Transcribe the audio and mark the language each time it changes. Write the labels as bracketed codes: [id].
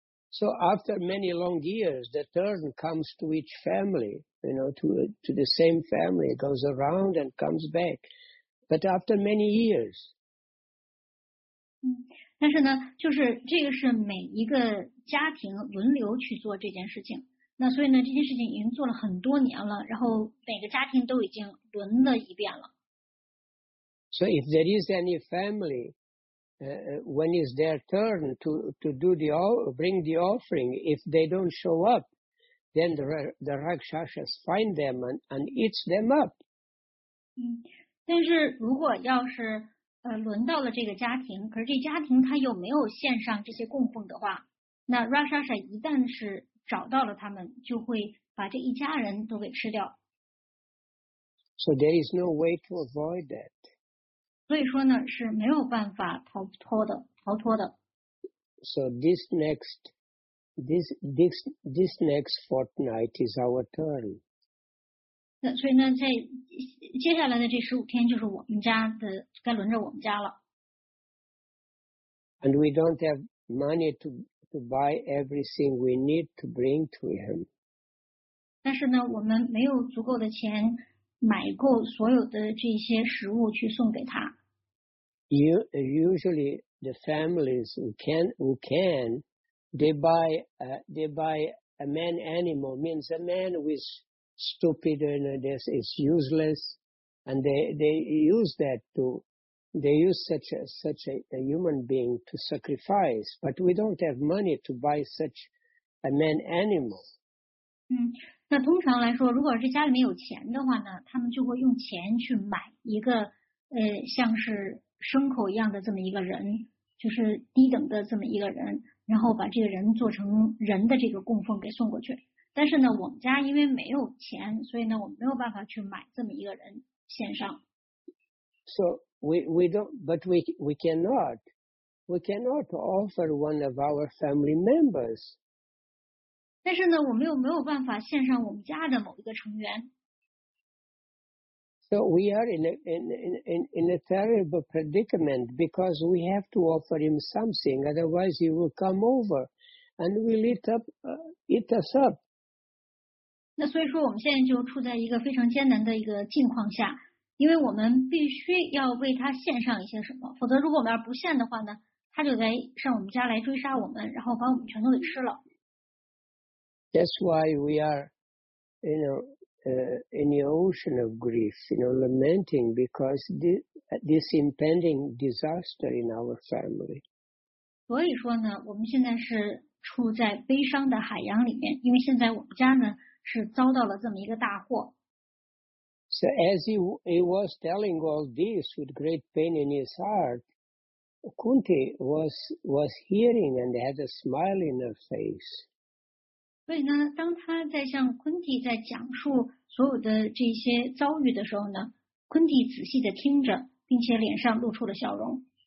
[en] So after many long years, the turn comes to each family, you know, to the same family, goes around and comes back. But after many years. [zh] 但是呢，就是这个是每一个家庭轮流去做这件事情。那所以呢，这件事情已经做了很多年了，然后每个家庭都已经轮了一遍了。 [en] So if there is any family,when is their turn to do the bring the offering? If they don't show up, then the Rakshasas find them and eats them up. [zh] 但是如果要是轮到了这个家庭，可是这家庭他又没有献上这些供奉的话，那 Rakshasa 一旦是找到了他们，就会把这一家人都给吃掉。 [en] So there is no way to avoid that. [zh] 所以说呢，是没有办法逃脱的。 [en] So this next fortnight is our turn. [zh] 那所以呢，在接下来的这十五天就是我们家的，该轮着我们家了。 [en] And we don't have money to buy everything we need to bring to him. [zh] 但是呢，我们没有足够的钱买够所有的这些食物去送给他。 [en] Usually the families who can they buy a man animal, means a man who is stupid and this is useless, and they use such a human being to sacrifice, but we don't have money to buy such a man animal. [zh] 那通常来说，如果是家里面有钱的话呢，他们就会用钱去买一个像是牲口一样的这么一个人，就是低等的这么一个人，然后把这个人做成人的这个供奉给送过去。但是呢，我们家因为没有钱，所以呢，我们没有办法去买这么一个人献上。 [en] So we cannot offer one of our family members. [zh] 但是呢，我们又没有办法献上我们家的某一个成员。 [en] So we are in a terrible predicament because we have to offer him something, otherwise he will come over and will eat us up. [zh] 那所以说我们现在就处在一个非常艰难的一个境况下，因为我们必须要为他献上一些什么，否则如果我们要不献的话呢，他就来上我们家来追杀我们，然后把我们全都给吃了。 [en] That's why we are, in the ocean of grief, you know, lamenting because this impending disaster in our family. [zh] 所以说呢，我们现在是处在悲伤的海洋里面，因为现在我们家呢是遭到了这么一个大祸。 [en] So as he was telling all this with great pain in his heart, Kunti was hearing and had a smile in her face. [zh] 所以呢，当他在向昆蒂在讲述所有的这些遭遇的时候呢，昆蒂仔细的听着，并且脸上露出了笑容。